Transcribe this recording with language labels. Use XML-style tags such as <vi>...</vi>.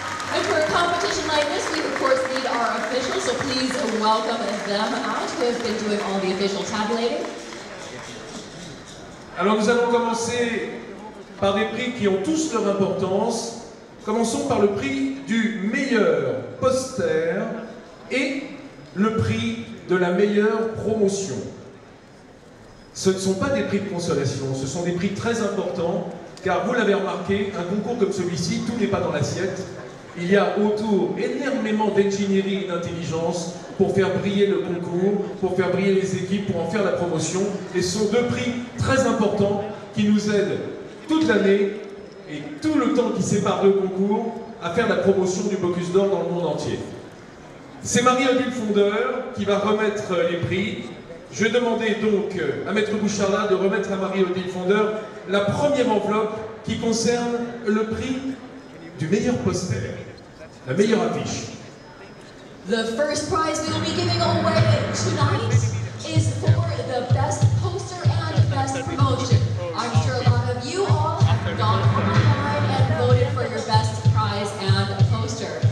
<en>And for a competition like this, we of course need our officials, so please welcome them out, who have been doing all the official tabulating.</en> <fr>Alors nous allons commencer par des prix qui ont tous leur importance. Commençons par le prix du meilleur poster et le prix de la meilleure promotion. Ce ne sont pas des prix de consolation, ce sont des prix très importants, car vous l'avez remarqué, un concours comme celui-ci, tout n'est pas dans l'assiette. Il y a autour énormément d'ingénierie et d'intelligence pour faire briller le concours, pour faire briller les équipes, pour en faire la promotion. Et ce sont deux prix très importants qui nous aident toute l'année et tout le temps qui sépare le concours à faire la promotion du Bocuse d'Or dans le monde entier. C'est Marie-Odile Fondeur qui va remettre les prix. Je vais demander donc à Maître Bouchardat de remettre à Marie-Odile Fondeur la première enveloppe qui concerne le prix du meilleur poster, la meilleure affiche.</fr> <en>The first prize we will be giving away tonight is for the best poster and best promotion. I'm sure a lot of you all have gone online and voted for your best prize and poster.</en>